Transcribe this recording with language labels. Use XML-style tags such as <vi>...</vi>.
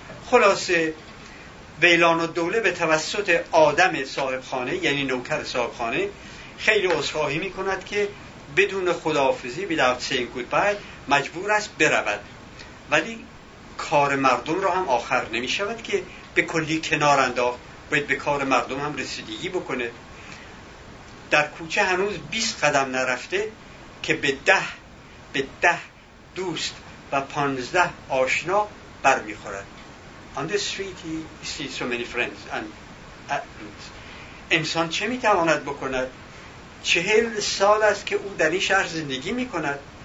<fa>خلاصه ویلان و دوله به توسط آدم صاحب خانه، یعنی نوکر صاحب خانه، خیلی عذرخواهی می کند که بدون خداحافظی</fa> <en>without saying goodbye</en> <fa>مجبور است برود، ولی کار مردم را هم آخر نمی شود که به کلی کنار انداخت، باید به کار مردم هم رسیدگی بکنه. در کوچه هنوز 20 قدم نرفته که به ده دوست و 15 آشنا بر می خورد.</fa> <en>On the street he sees so many friends and acquaintances.</en> <fa>انسان چه می تواند بکند؟ 40 سال است که او در این شهر زندگی می کند.</fa>